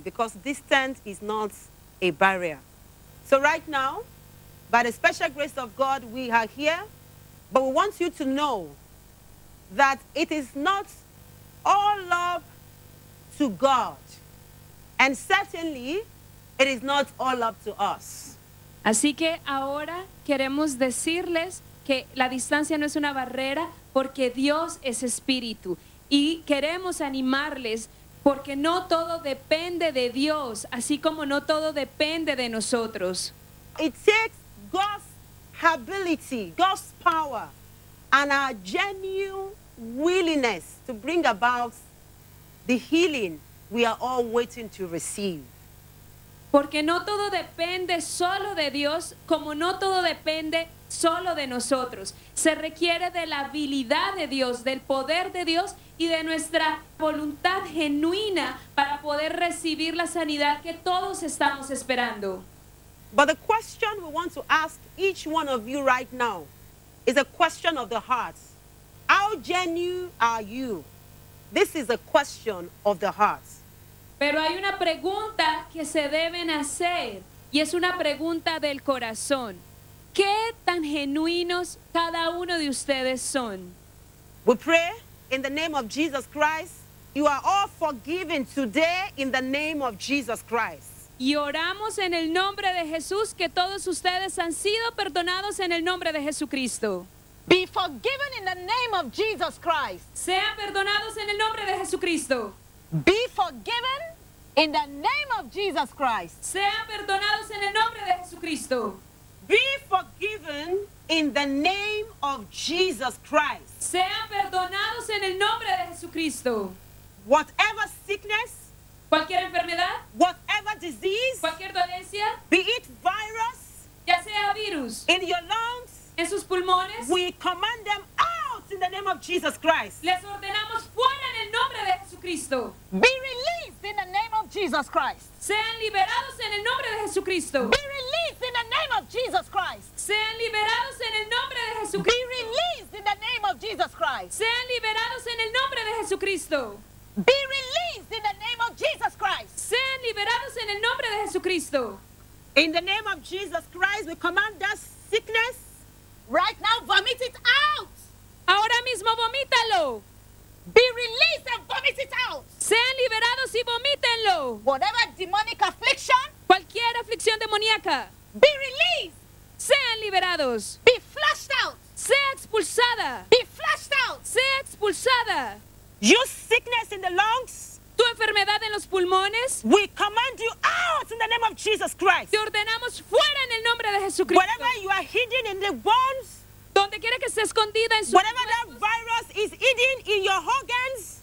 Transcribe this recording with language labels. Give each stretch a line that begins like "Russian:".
English: Because distance is not a barrier. So right now, by the special grace of God, we are here. But we want you to know that it is not all love to God. And certainly, it is not all love to us.
Spanish: Así que ahora queremos decirles que la distancia no es una barrera porque Dios es espíritu y queremos animarles porque no todo depende de Dios, así como no todo depende de nosotros.
English: It takes God's ability, God's power, and our genuine willingness to bring about the healing we are all waiting to receive.
Spanish: Porque no todo depende solo de Dios, como no todo depende solo de nosotros. Se requiere de la habilidad de Dios, del poder de Dios y de nuestra voluntad genuina para poder recibir la sanidad que todos estamos esperando.
English: But the question we want to ask each one of you right now is a question of the heart. How genuine are you? This is a question of the heart.
Spanish: Pero hay una pregunta que se deben hacer y es una pregunta del corazón. ¿Qué tan genuinos cada uno de ustedes son?
English: We pray in the name of Jesus Christ. You are all forgiven today in the name of Jesus Christ.
Spanish: Y oramos en el nombre de Jesús que todos ustedes han sido perdonados en el nombre de Jesucristo.
English: Be forgiven in the name of Jesus Christ.
Spanish: Sean perdonados en el nombre de Jesucristo.
English: Be forgiven in the name of Jesus Christ.
Spanish: Sean perdonados en el nombre de Jesucristo.
English: Be forgiven in the name of Jesus Christ.
Spanish: Sean perdonados en el nombre de Jesucristo.
English: Whatever sickness,
Spanish: cualquier enfermedad,
English: whatever disease,
Spanish: cualquier dolencia,
English: be it virus,
Spanish: ya sea virus,
English: in your lungs,
Spanish: en sus pulmones,
English: we command them out in the name of Jesus Christ.
Spanish: Les ordenamos fuera en el nombre de Jesucristo.
English: Be released in the name of Jesus Christ.
Spanish: Sean liberados en el nombre de Jesucristo.
English: Be released in the name of Jesus Christ.
Spanish: Sean liberados en el nombre de Jesucristo.
English: Be released in the name of Jesus Christ.
Spanish: Sean liberados en el nombre de Jesucristo.
English: Be released in the name of Jesus Christ.
Spanish: Sean liberados en el nombre de Jesucristo.
English: In the name of Jesus Christ, we command that sickness right now, vomit it out.
Spanish: Ahora mismo vomítalo.
English: Be released and vomit it out.
Spanish: Sean liberados y vomítenlo.
English: Whatever demonic affliction,
Spanish: cualquier aflicción demoníaca,
English: be released.
Spanish: Sean liberados.
English: Be flushed out.
Spanish: Sea expulsada.
English: Be flushed out.
Spanish: Sea expulsada.
English: Your sickness in the lungs,
Spanish: tu enfermedad en los pulmones,
English: we command you out in the name of Jesus Christ.
Spanish: Te ordenamos fuera en el nombre de Jesucristo.
English: Whatever you are hidden in the bones,
Spanish: donde quiera que esté escondida en sus órganos,
English: whatever that virus is hidden in your organs,